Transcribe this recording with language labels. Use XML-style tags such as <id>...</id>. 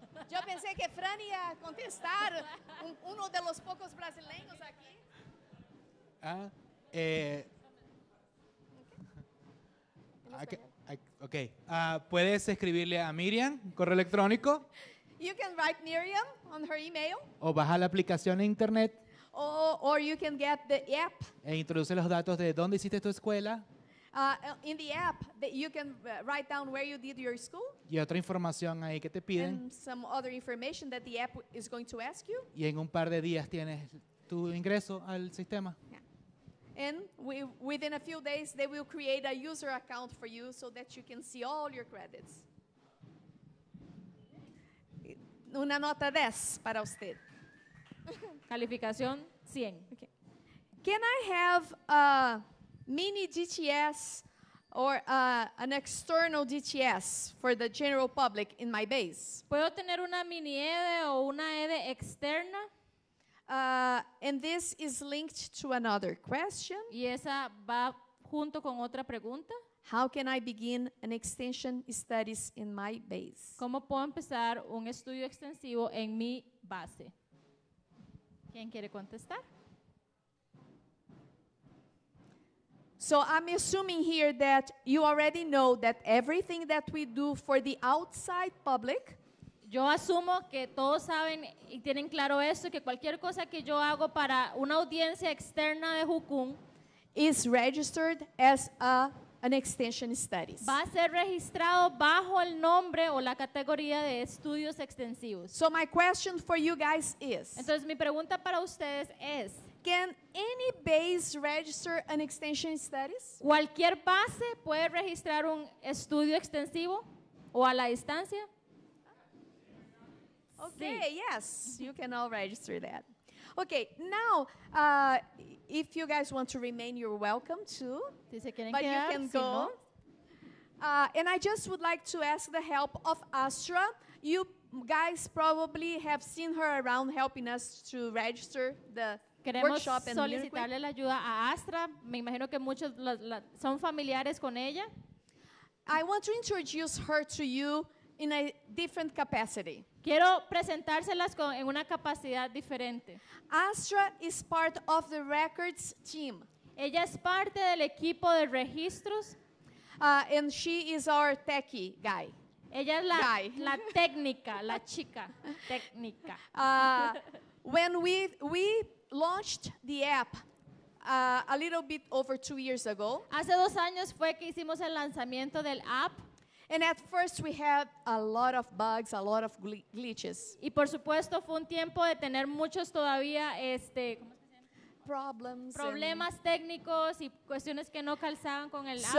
<es>Yo pensé que Fran iba a contestar uno de los pocos brasileños aquí. ¿Puedes escribirle a Miriam correo electrónico?</es> <en>You can write Miriam on her email.</en> <es>O baja la aplicación en internet.</es> <en>Or you can get the app.</en> <es>E introduce los datos de dónde hiciste tu escuela.</es> <en>In the app, that you can write down where you did your school.</en> <es>Y otra información ahí que te piden.</es> <en>And some other information that the app is going to ask you.</en> <es>Y en un par de días tienes tu ingreso al sistema.</es> <en>And within a few days, they will create a user account for you so that you can see all your credits.</en> <es>Una nota 10 para usted. Calificación 100.</es> <en>Okay. Can I have a mini DTS or an external DTS for the general public in my base?</en> <es>¿Puedo tener una mini EDE o una EDE externa?</es> <en>And this is linked to another question.</en> <es>¿Y esa va junto con otra pregunta?</es> <en>How can I begin an extension studies in my base?</en> <es>¿Cómo puedo empezar un estudio extensivo en mi base? ¿Quién quiere contestar?</es> <en>So I'm assuming here that you already know that everything that we do for the outside public.</en> <es>Yo asumo que todos saben y tienen claro esto, que cualquier cosa que yo hago para una audiencia externa de Jucún</es> <en>is registered as an extension studies.</en> <es>Va a ser registrado bajo el nombre o la categoría de estudios extensivos.</es> <en>So my question for you guys is.</en> <es>Entonces mi pregunta para ustedes es.</es> <en>Can any base register an extension studies?</en> <es>¿Cualquier base puede registrar un estudio extensivo o a la distancia?</es> <en>Okay, yes, you can all register that. Okay, now, if you guys want to remain, you're welcome too. But you can go. And I just would like to ask the help of Astra. You guys probably have seen her around helping us to register the workshop.</en> <es>Queremos solicitarle la ayuda a Astra. Me imagino que muchos son familiares con ella.</es> <en>I want to introduce her to you in a different capacity.</en> <es>Quiero presentárselas en una capacidad diferente.</es> <en>Astra is part of the records team.</en> <es>Ella es parte del equipo de registros.</es> <en>And she is our techie guy.</en> <es>Ella es la técnica, la chica técnica.</es> <en>When we launched the app a little bit over 2 years ago.</en> <es>Hace 2 años fue que hicimos el lanzamiento del app.</es> <en>And at first we had a lot of bugs, a lot of glitches.</en> <es>Y por supuesto fue un tiempo de tener muchos todavía ¿cómo se llama? Problemas técnicos y cuestiones que no calzaban con el app.</es>